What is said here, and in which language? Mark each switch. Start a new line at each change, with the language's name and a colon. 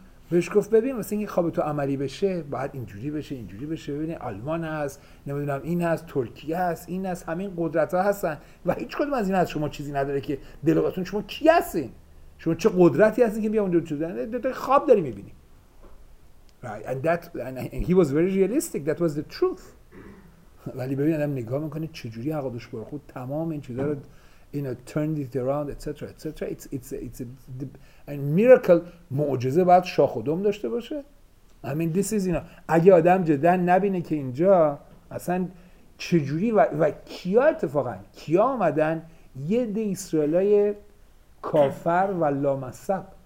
Persian: بهش گفت ببین واسه اینکه خواب تو عملی بشه باید اینجوری بشه، اینجوری بشه. ببین آلمان هست، نمیدونم این هست، ترکیه هست، این هست، همین قدرت ها هستن و هیچ کدوم از این از شما چیزی نداره که دلقاتون. شما کی هستین؟ شما چه قدرتی هستین که بیا اونجور چودن؟ خواب داری میبینی.
English: Right, and that, and he was very realistic. That was the truth.
Persian: ولی ببین آدم نگاه میکنه چجوری عقدش برو خود تمام این چیزا رو اینا
English: turned it around etc etc. It's a miracle.
Persian: معجزه باید شاخ و دم داشته باشه.
English: I mean this is اینا.
Persian: اگه آدم جدا نبینه که اینجا اصلا چجوری و کیا اتفاقا کیا آمدن، یه ده اسرائیلای کافر و لامصب.